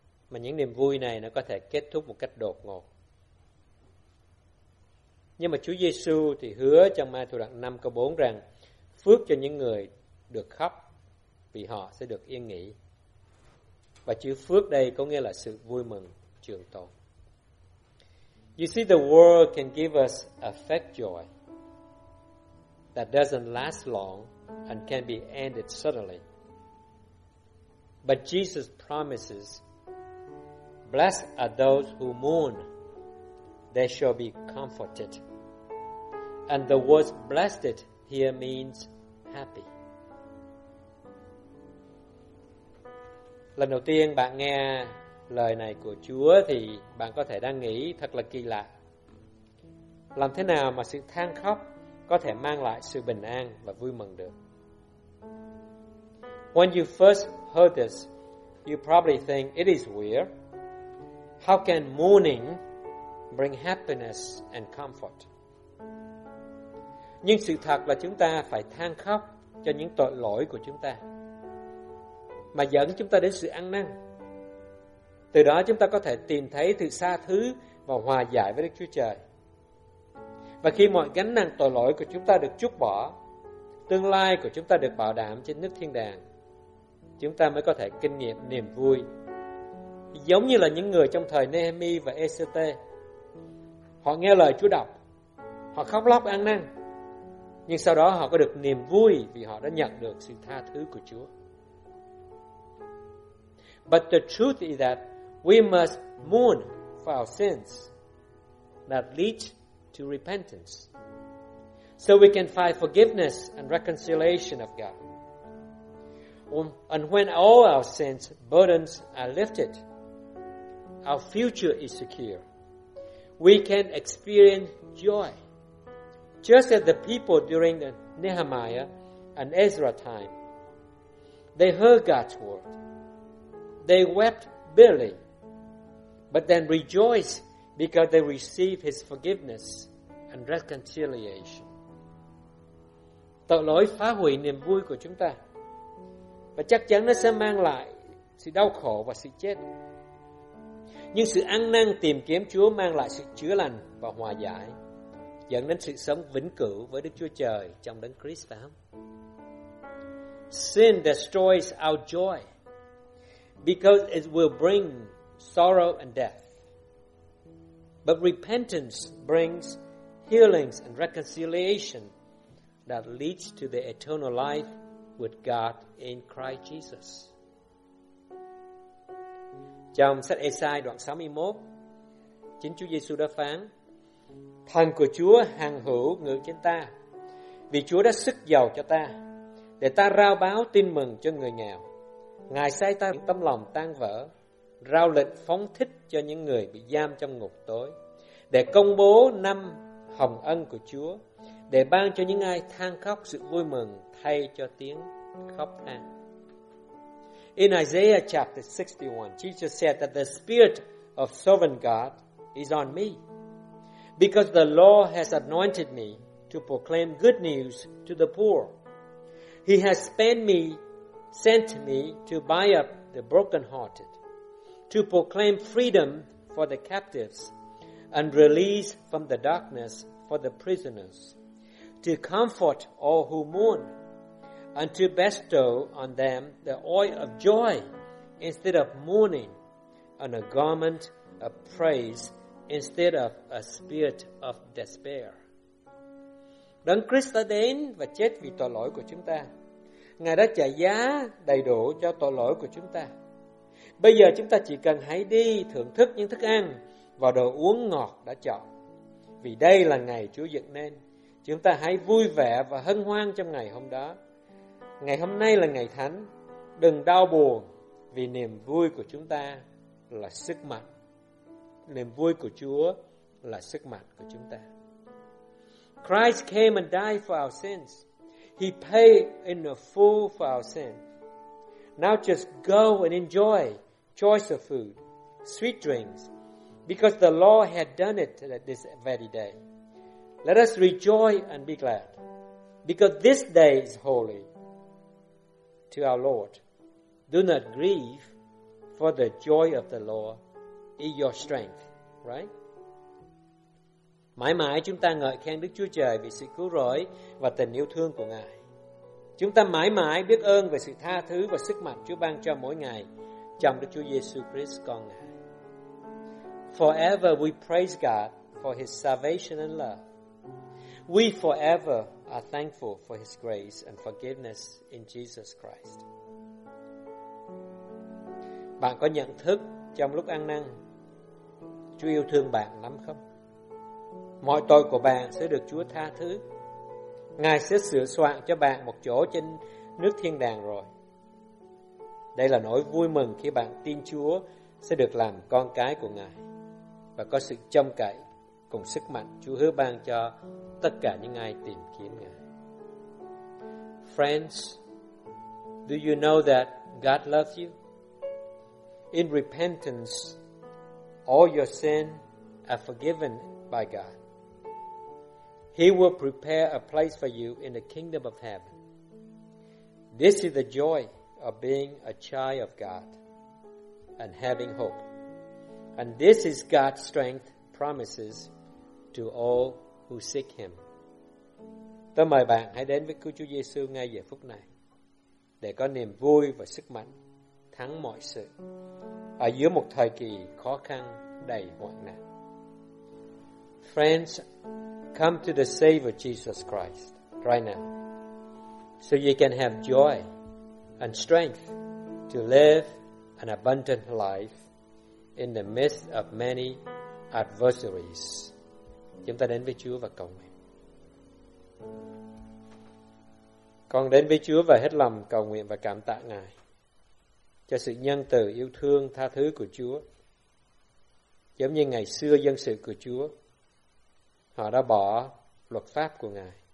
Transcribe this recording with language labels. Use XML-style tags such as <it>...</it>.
<vi>Mà những niềm vui này nó có thể kết thúc một cách đột ngột. Nhưng mà Chúa Giê-xu thì hứa trong Ma-thi-ơ đoạn 5 câu 4 rằng phước cho những người được khóc vì họ sẽ được yên nghỉ. Và chữ phước đây có nghĩa là sự vui mừng trường tồn.</vi> <en>You see, the world can give us a fake joy that doesn't last long and can be ended suddenly. But Jesus promises, blessed are those who mourn, they shall be comforted. And the word blessed here means happy.</en> <vi>Lần đầu tiên bạn nghe lời này của Chúa thì bạn có thể đang nghĩ thật là kỳ lạ. Làm thế nào mà sự than khóc có thể mang lại sự bình an và vui mừng được?</vi> <en>When you first heard this, you probably think it is weird. How can mourning bring happiness and comfort?</en> <vi>Nhưng sự thật là chúng ta phải than khóc cho những tội lỗi của chúng ta mà dẫn chúng ta đến sự ăn năn. Từ đó chúng ta có thể tìm thấy sự tha thứ và hòa giải với Đức Chúa Trời. Và khi mọi gánh nặng tội lỗi của chúng ta được chuốc bỏ, tương lai của chúng ta được bảo đảm trên nước thiên đàng, chúng ta mới có thể kinh nghiệm niềm vui. Giống như là những người trong thời Nehemi và ECT, họ nghe lời Chúa đọc, họ khóc lóc ăn năn, nhưng sau đó họ có được niềm vui vì họ đã nhận được sự tha thứ của Chúa.</vi> <en>But the truth is that we must mourn for our sins that lead to repentance, so we can find forgiveness and reconciliation of God. And when all our sins burdens are lifted, our future is secure. We can experience joy, just as the people during the Nehemiah and Ezra time. They heard God's word. They wept bitterly, but then rejoiced because they received his forgiveness and reconciliation.</en> <vi>Tội lỗi phá hủy niềm vui của chúng ta, và chắc chắn nó sẽ mang lại sự đau khổ và sự chết. Nhưng sự ăn năn tìm kiếm Chúa mang lại sự chữa lành và hòa giải, dẫn đến sự sống vĩnh cửu với Đức Chúa Trời trong Đấng Christ, phải không?</vi> <en>Sin destroys our joy, because it will bring sorrow and death. But repentance brings healings and reconciliation that leads to the eternal life with God in Christ Jesus.</en> <vi>Trong sách Ê-sai đoạn 61, chính Chúa Giê-xu đã phán: Thần của Chúa hằng hữu ngự trên ta, vì Chúa đã sức dầu cho ta, để ta rao báo tin mừng cho người nghèo. Ngài sai ta tâm lòng tan vỡ, rao lệnh phóng thích cho những người bị giam trong ngục tối, để công bố năm hồng ân của Chúa, để ban cho những ai than khóc sự vui mừng thay cho tiếng khóc than.</vi> <en>In Isaiah chapter 61, Jesus said that the Spirit of Sovereign God is on me, because the Lord has anointed me to proclaim good news to the poor. He has sent me to buy up the brokenhearted, to proclaim freedom for the captives and release from the darkness for the prisoners, to comfort all who mourn, and to bestow on them the oil of joy instead of mourning, and a garment of praise instead of a spirit of despair.</en> <vi>Đấng Christ đã đến và chết vì tội lỗi của chúng ta. Ngài đã trả giá đầy đủ cho tội lỗi của chúng ta. Bây giờ chúng ta chỉ cần hãy đi thưởng thức những thức ăn và đồ uống ngọt đã chọn. Vì đây là ngày Chúa dựng nên, chúng ta hãy vui vẻ và hân hoan trong ngày hôm đó. Ngày hôm nay là ngày thánh, đừng đau buồn, vì niềm vui của chúng ta là sức mạnh. Niềm vui của Chúa là sức mạnh của chúng ta.</vi> <en>Christ came and died for our sins. He paid in the full for our sin. Now just go and enjoy choice of food, sweet drinks, because the law had done it this very day. Let us rejoice and be glad, because this day is holy to our Lord. Do not grieve, for the joy of the Lord is your strength. Right?</en> <vi>Mãi mãi chúng ta ngợi khen Đức Chúa Trời vì sự cứu rỗi và tình yêu thương của Ngài. Chúng ta mãi mãi biết ơn về sự tha thứ và sức mạnh Chúa ban cho mỗi ngày trong Đức Chúa Giêsu Christ con Ngài.</vi> <en>Forever we praise God for His salvation and love. We forever are thankful for His grace and forgiveness in Jesus Christ.</en> <vi>Bạn có nhận thức trong lúc ăn năn Chúa yêu thương bạn lắm không? Mọi tội của bạn sẽ được Chúa tha thứ. Ngài sẽ sửa soạn cho bạn một chỗ trên nước thiên đàng rồi. Đây là nỗi vui mừng khi bạn tin Chúa sẽ được làm con cái của Ngài và có sự trông cậy cùng sức mạnh Chúa hứa ban cho tất cả những ai tìm kiếm Ngài.</vi> <en>Friends, do you know that God loves you? In repentance, all your sins are forgiven by God. He will prepare a place for you in the kingdom of heaven. This is the joy of being a child of God and having hope. And this is God's strength promises to all who seek Him.</en> <vi>Tôi mời bạn hãy đến với Chúa Giêsu ngay giờ phút này để có niềm vui và sức mạnh thắng mọi sự ở giữa một thời kỳ khó khăn đầy hoạn nạn.</vi> <en>Friends, come to the Savior Jesus Christ right now, so you can have joy and strength to live an abundant life in the midst of many adversaries.</en> <vi>Chúng ta đến với Chúa và cầu nguyện. Con đến với Chúa và hết lòng cầu nguyện và cảm tạ Ngài cho sự nhân từ, yêu thương, tha thứ của Chúa. Giống như ngày xưa dân sự của Chúa, họ đã bỏ luật pháp của Ngài.</vi>